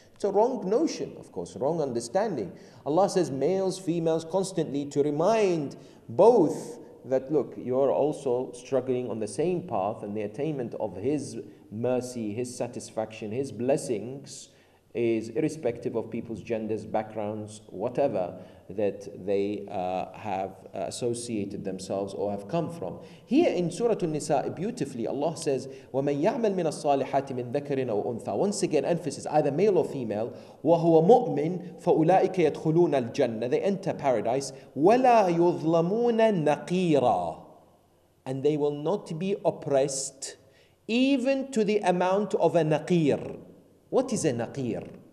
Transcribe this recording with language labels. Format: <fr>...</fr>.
<en>It's a wrong notion, of course, wrong understanding. Allah says males, females, constantly to remind both that, look, you're also struggling on the same path, and the attainment of His mercy, His satisfaction, His blessings is irrespective of people's genders, backgrounds, whatever that they have associated themselves or have come from. Here in Surah An-Nisa, beautifully, Allah says,</en> <ar>وَمَنْ يَعْمَلْ مِنَ الصَّالِحَاتِ مِنْ ذَكَرٍ أَوْ أُنْثَى.</ar> <en>Once again, emphasis, either male or female,</en> <ar>وَهُوَ مُؤْمِنْ فَأُولَٰئِكَ يَدْخُلُونَ الْجَنَّةِ.</ar> <en>They enter paradise.</en> <ar>وَلَا يُظْلَمُونَ نَقِيرًا.</ar> <en>And they will not be oppressed even to the amount of a naqir. What is a naqir?</en>